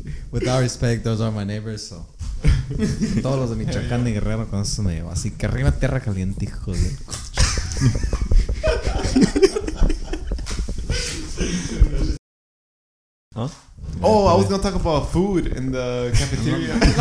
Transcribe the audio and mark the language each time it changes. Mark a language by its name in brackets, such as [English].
[English] With all respect, those are my neighbors, so. [Spanish] Todos los de Michoacán de Guerrero con eso me llevo. Así que arriba tierra caliente, hijo de coche. Huh? [English] Oh, I was gonna talk about food in the cafeteria.